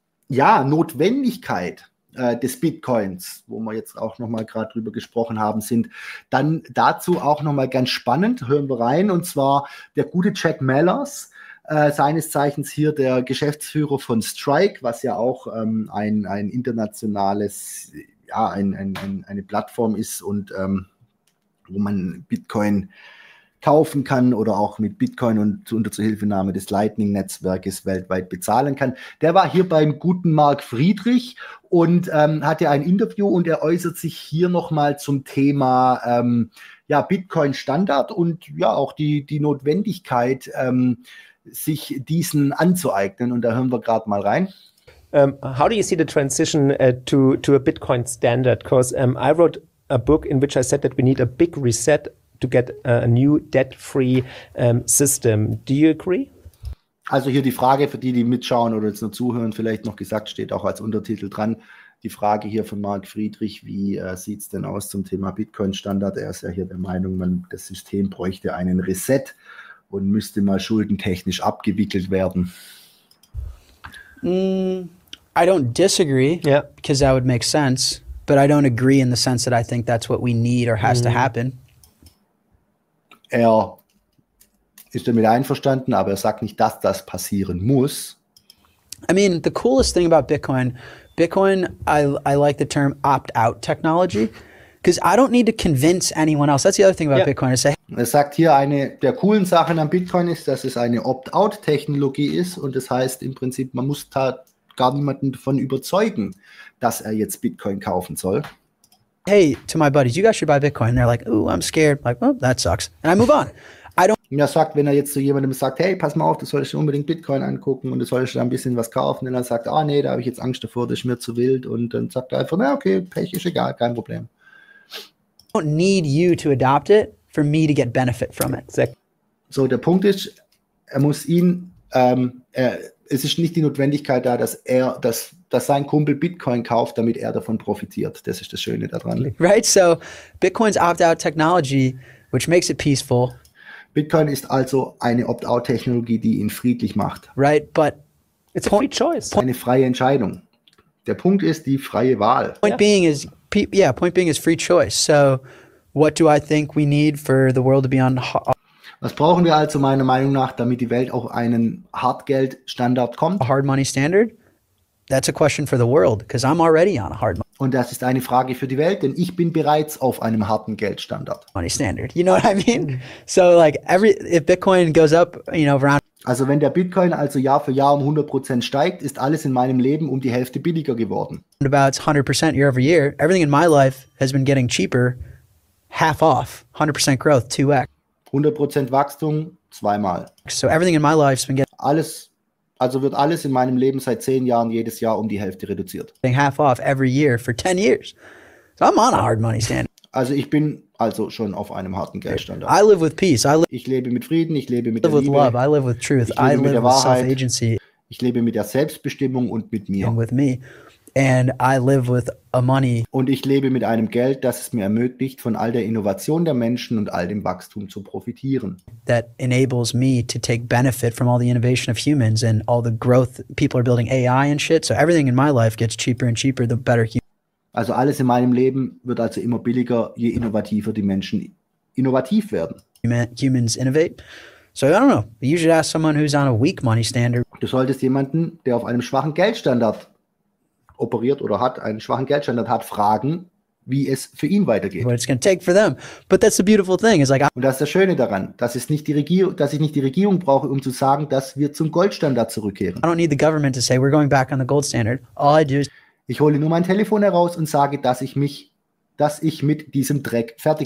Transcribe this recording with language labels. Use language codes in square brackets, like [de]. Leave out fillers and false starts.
[de] Notwendigkeit des Bitcoins, wo wir jetzt auch nochmal gerade drüber gesprochen haben, sind dann dazu auch nochmal ganz spannend, hören wir rein, und zwar der gute Jack Mallers, seines Zeichens hier der Geschäftsführer von Strike, was ja auch ein internationales, eine Plattform ist und wo man Bitcoin kaufen kann oder auch mit Bitcoin und unter Zuhilfenahme des Lightning-Netzwerkes weltweit bezahlen kann. Der war hier beim guten Mark Friedrich und hatte ein Interview und er äußert sich hier nochmal zum Thema Bitcoin-Standard und ja auch die Notwendigkeit, sich diesen anzueignen. Und da hören wir gerade mal rein. [en] How do you see the transition to a Bitcoin standard? Because I wrote a book in which I said that we need a big reset to get a new debt-free system. Do you agree? [de] Also hier die Frage für die mitschauen oder jetzt nur zuhören, vielleicht noch gesagt, steht auch als Untertitel dran, die Frage hier von Mark Friedrich, wie sieht es denn aus zum Thema Bitcoin-Standard? Er ist ja hier der Meinung, das System bräuchte einen Reset und müsste mal schuldentechnisch abgewickelt werden. [en] I don't disagree, yeah, because that would make sense, but I don't agree in the sense that I think that's what we need or has to happen. [de] Er ist damit einverstanden, aber er sagt nicht, dass das passieren muss. [en] I mean, the coolest thing about Bitcoin, I like the term opt-out technology, because I don't need to convince anyone else. That's the other thing about Bitcoin. [de] Er sagt hier, eine der coolen Sachen an Bitcoin ist, dass es eine Opt-out-Technologie ist und das heißt im Prinzip, man muss da gar niemanden davon überzeugen, dass er jetzt Bitcoin kaufen soll. [en] Hey, to my buddies, you guys should buy Bitcoin. They're like, oh, I'm scared. Like, well, that sucks. And I move on. [de] Sagt, wenn er jetzt zu jemandem sagt, hey, pass mal auf, du solltest dir unbedingt Bitcoin angucken und du solltest da ein bisschen was kaufen. Und er sagt, ah, nee, da habe ich jetzt Angst davor, das ist mir zu wild. Und dann sagt er einfach, na, okay, Pech ist egal, kein Problem. [en] I don't need you to adopt it for me to get benefit from it. [de] So, der Punkt ist, es ist nicht die Notwendigkeit da, dass sein Kumpel Bitcoin kauft, damit er davon profitiert. Das ist das Schöne daran. [en] Right, so Bitcoin's opt-out technology, which makes it peaceful. [de] Bitcoin ist also eine Opt-out-Technologie, die ihn friedlich macht. [en] Right, but it's a free choice. [de] Eine freie Entscheidung. Der Punkt ist die freie Wahl. [en] Point being is free choice. So what do I think we need for the world to be on? [de] Was brauchen wir also meiner Meinung nach, damit die Welt auch einen Hartgeldstandard kommt? [en] A hard money standard? That's a question for the world, because I'm already on a hard money. [de] Und das ist eine Frage für die Welt, denn ich bin bereits auf einem harten Geldstandard. [en] Money standard, you know what I mean? So like if Bitcoin goes up, you know, around. [de] Also wenn der Bitcoin also Jahr für Jahr um 100% steigt, ist alles in meinem Leben um die Hälfte billiger geworden. [en] About 100% year over year, everything in my life has been getting cheaper, half off, 100% growth, 2x. [de] 100% Wachstum, zweimal. [en] So everything in my life's been getting [de] alles, also wird alles in meinem Leben seit 10 Jahren jedes Jahr um die Hälfte reduziert. [en] Half off every year for 10 years. So I'm on a hard money standard. [de] Also ich bin also schon auf einem harten Geldstandard. [en] I live with peace. [de] Ich lebe mit Frieden, ich lebe mit der Liebe. [en] I live with love, I live with truth. [de] Ich lebe mit der Wahrheit. [en] Self-agency. [de] Ich lebe mit der Selbstbestimmung und mit mir. [en] And with me. And I live with a money. [de] Und ich lebe mit einem Geld, das es mir ermöglicht, von all der Innovation der Menschen und all dem Wachstum zu profitieren. [en] That enables me to take benefit from all the innovation of humans and all the growth. People are building AI and shit. So everything in my life gets cheaper and cheaper, the better human. [de] Also alles in meinem Leben wird also immer billiger, je innovativer die Menschen innovativ werden. [en] Humans innovate. So I don't know. You should ask someone who's on a weak money standard. [de] Du solltest jemanden, der auf einem schwachen Geldstandard operiert oder hat einen schwachen Geldstandard, hat Fragen, wie es für ihn weitergeht. [en] What it's gonna take for them. But that's the beautiful thing. It's like, [de] und das ist das Schöne daran, dass ich nicht die Regierung brauche, um zu sagen, dass wir zum Goldstandard zurückkehren. [en] I don't need the government to say we're going back on the gold standard. All I do is [de] ich hole nur mein Telefon heraus und sage, dass ich mit diesem Dreck fertig